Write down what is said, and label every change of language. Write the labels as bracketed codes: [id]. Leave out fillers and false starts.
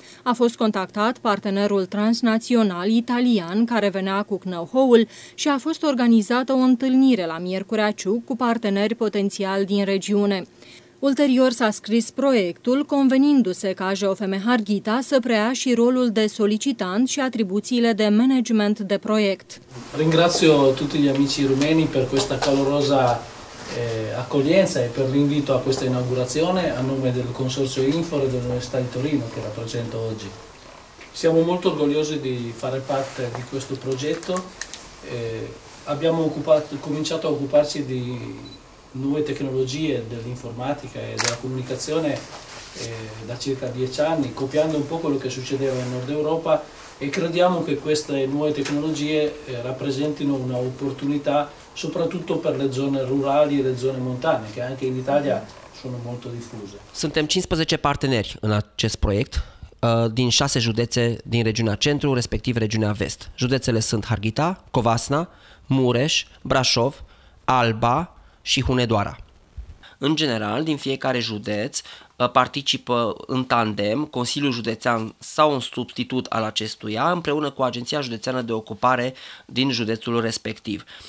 [ro] A fost contactat partenerul transnațional italian care venea cu know-how-ul și a fost organizată o întâlnire la Miercurea Ciuc cu parteneri potențiali din regiune. Ulterior s-a scris proiectul, convenindu-se ca AJFM Harghita să preia și rolul de solicitant și atribuțiile de management de proiect. [it] Ringrazio tutti gli amici rumeni per questa calorosa accoglienza e per l'invito a questa inaugurazione a nome del Consorzio Infor e dell'Università di Torino che rappresento oggi. Siamo molto orgogliosi di fare parte di questo progetto. Abbiamo cominciato a occuparci di nuove tecnologie dell'informatica e della comunicazione da circa 10 anni, copiando un po' quello che succedeva in Nord Europa e crediamo che queste nuove tecnologie rappresentino un'opportunità soprattutto per le zone rurali e le zone montane, che anche in Italia sono molto diffuse. [ro] Suntem 15 parteneri în acest proiect din 6 județe din regiunea Centru, respectiv regiunea Vest. Județele sunt Harghita, Covasna, Mureș, Brașov, Alba și Hunedoara. În general, din fiecare județ participă în tandem Consiliul Județean sau un substitut al acestuia împreună cu Agenția Județeană de Ocupare din județul respectiv.